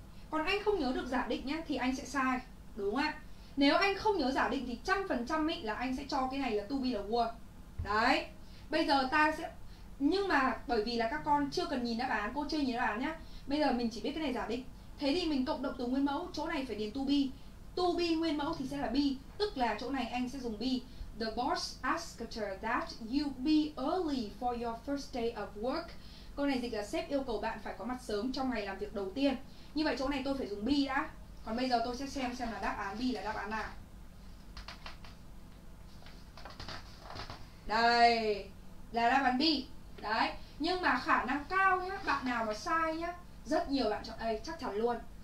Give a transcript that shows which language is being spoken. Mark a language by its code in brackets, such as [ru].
[vi] Còn anh không nhớ được giả định nhá thì anh sẽ sai, đúng không ạ? Nếu anh không nhớ giả định thì 100% ý là anh sẽ cho cái này là to be là were. Đấy. Bây giờ ta sẽ... Nhưng mà bởi vì là các con chưa cần nhìn đáp án, cô chưa nhìn đáp án nhá. Bây giờ mình chỉ biết cái này giả định. Thế thì mình cộng động từ nguyên mẫu, chỗ này phải điền to be. To be nguyên mẫu thì sẽ là be, tức là chỗ này anh sẽ dùng be. [en] The boss asked her that you be early for your first day of work. [vi] Câu này dịch là sếp yêu cầu bạn phải có mặt sớm trong ngày làm việc đầu tiên. Như vậy chỗ này tôi phải dùng be đã. Còn bây giờ tôi sẽ xem là đáp án be là đáp án nào. Đây, là đáp án be. Đấy, nhưng mà khả năng cao nhá, bạn nào mà sai nhá, rất nhiều bạn chọn A chắc chắn luôn.